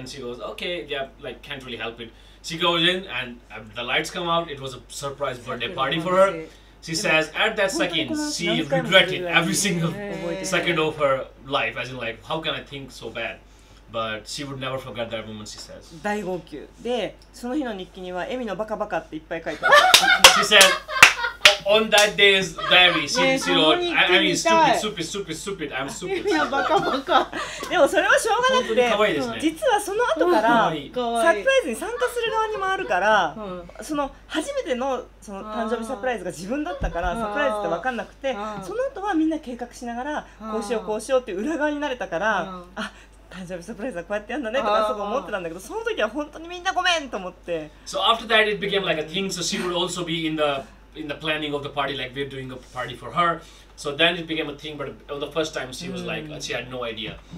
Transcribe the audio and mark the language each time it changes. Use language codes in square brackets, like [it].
[en] And she goes, okay, yeah, like, can't really help it. She goes in and the lights come out. It was a surprise birthday party for her. She says at that second, she regretted every single second of her life. As in like, how can I think so bad? But she would never forget that moment, she says. [ja] 大号泣。で、その日の日記にはエミのバカバカっていっぱい書いてある。 [en] She said, on that day's diary, she wrote, I mean, stupid, I'm stupid. [ja] エミのバカバカ。でもそれはしょうがなくて、可愛いですね、実はその後からサプライズに参加する側にもあるから、その初めて その誕生日サプライズが自分だったからサプライズって分かんなくて、その後はみんな計画しながらこうしようこうしようって裏側になれたから、あ、誕生日サプライズはこうやってやんだねとかそう思ってたんだけど、その時は本当にみんなごめんと思って。 [en] So after that it became like a thing, so she would also be in the planning of the party, like we're doing a party for her. So then it became a thing, but on the first time she was like, she had no idea.